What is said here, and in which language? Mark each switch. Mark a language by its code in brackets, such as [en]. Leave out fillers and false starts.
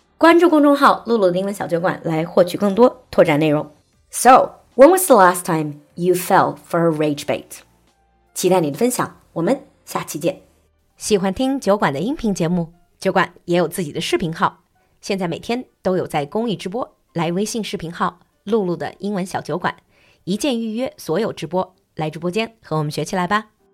[zh] 关注公众号“露露的英文小酒馆”来获取更多拓展内容。 [en] So, when was the last time you fell for a rage bait? [zh] 期待你的分享，我们下期见。喜欢听酒馆的音频节目，酒馆也有自己的视频号，现在每天都有在公益直播，来微信视频号“露露的英文小酒馆”。一键预约所有直播，来直播间和我们学起来吧。